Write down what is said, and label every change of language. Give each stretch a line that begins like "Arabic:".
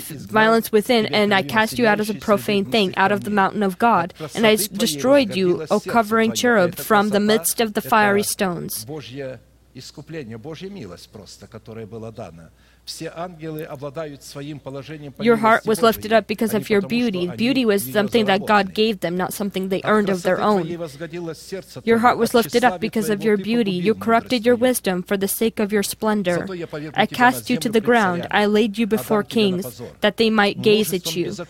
English: Violence within, and I cast you out as a profane thing, out of the mountain of God, and I destroyed you, O covering cherub, from the midst of the fiery stones.
Russian: Искупление, Божья милость просто, которая была дана. Все ангелы обладают своим положением.
English: Your heart was lifted up because of your beauty. Beauty was something that God gave them, not something they earned of their own. Your heart was lifted up because of your beauty. You corrupted your wisdom for the sake of your splendor. I cast you to the ground. I laid you before kings, that they might gaze at you.